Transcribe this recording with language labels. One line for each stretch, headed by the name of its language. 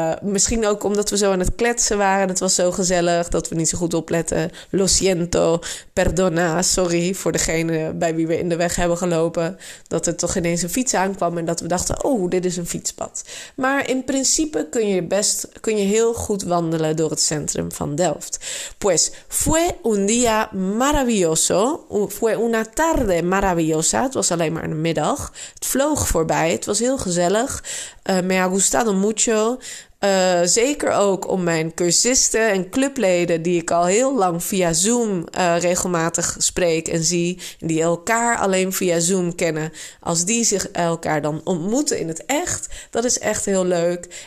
Dutch: Misschien ook omdat we zo aan het kletsen waren. Het was zo gezellig dat we niet zo goed opletten.
Spanish: Lo siento, perdona,
Dutch: sorry voor degene bij wie we in de weg hebben gelopen. Dat er toch ineens een fiets aankwam en dat we dachten, oh, dit is een fietspad. Maar in principe kun je heel goed wandelen door het centrum van Delft.
Spanish: Pues, fue un día maravilloso. Fue una tarde maravillosa.
Dutch: Het was alleen maar een middag. Het vloog voorbij. Het was heel gezellig.
Spanish: Me ha gustado mucho.
Dutch: Zeker ook om mijn cursisten en clubleden die ik al heel lang via Zoom regelmatig spreek en zie, die elkaar alleen via Zoom kennen, als die zich elkaar dan ontmoeten in het echt, dat is echt heel leuk.